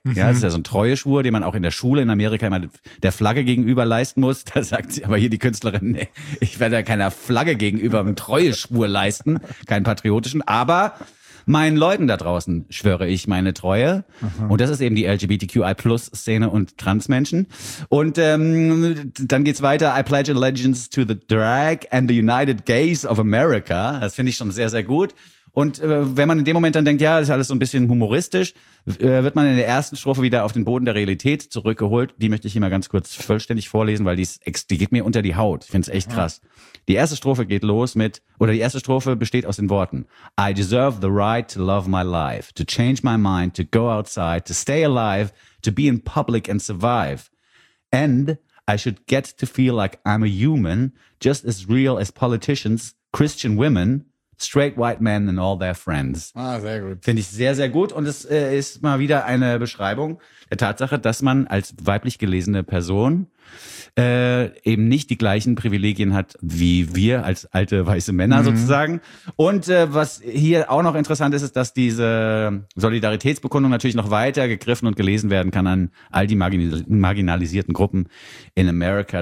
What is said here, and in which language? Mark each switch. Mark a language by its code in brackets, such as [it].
[de] Ja, das ist ja so ein Treueschwur, den man auch in der Schule in Amerika immer der Flagge gegenüber leisten muss. Da sagt sie aber hier die Künstlerin, nee, ich werde ja keiner Flagge gegenüber einen Treueschwur leisten, keinen patriotischen, aber meinen Leuten da draußen schwöre ich meine Treue. Aha. Und das ist eben die LGBTQI-Plus-Szene und Transmenschen. Und dann geht's weiter. [en] I pledge allegiance to the drag and the United Gays of America. [de] Das finde ich schon sehr, sehr gut. Und wenn man in dem Moment dann denkt, ja, das ist alles so ein bisschen humoristisch, wird man in der ersten Strophe wieder auf den Boden der Realität zurückgeholt. Die möchte ich hier mal ganz kurz vollständig vorlesen, weil die geht mir unter die Haut. Ich finde es echt krass. Die erste Strophe geht los mit, oder die erste Strophe besteht aus den Worten. [en] I deserve the right to love my life, to change my mind, to go outside, to stay alive, to be in public and survive. And I should get to feel like I'm a human, just as real as politicians, Christian women, straight white men and all their friends. [de] Ah, sehr gut. Finde ich sehr, sehr gut. Und es ist mal wieder eine Beschreibung der Tatsache, dass man als weiblich gelesene Person eben nicht die gleichen Privilegien hat wie wir als alte weiße Männer sozusagen. Und was hier auch noch interessant ist, ist, dass diese Solidaritätsbekundung natürlich noch weiter gegriffen und gelesen werden kann an all die marginalisierten Gruppen in America.